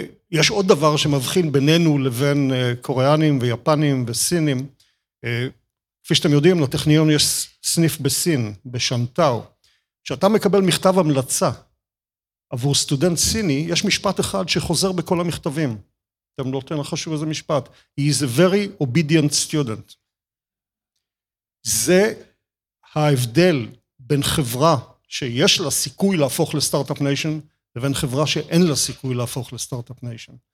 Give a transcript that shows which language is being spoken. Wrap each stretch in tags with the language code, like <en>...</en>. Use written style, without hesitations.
<he>יש עוד דבר שמבחין בינינו לבין קוריאנים ויפנים וסינים. כפי שאתם יודעים, לטכניון יש סניף בסין, בשנטאו. כשאתה מקבל מכתב המלצה עבור סטודנט סיני, יש משפט אחד שחוזר בכל המכתבים. אתם לא תן לך שוב איזה משפט.</he> <en>He is a very obedient student.</en> <he>זה ההבדל בין חברה שיש לה סיכוי להפוך לסטארט-אפ ניישן, לבין חברה שאין לה סיכוי להפוך לסטארט-אפ ניישן.</he>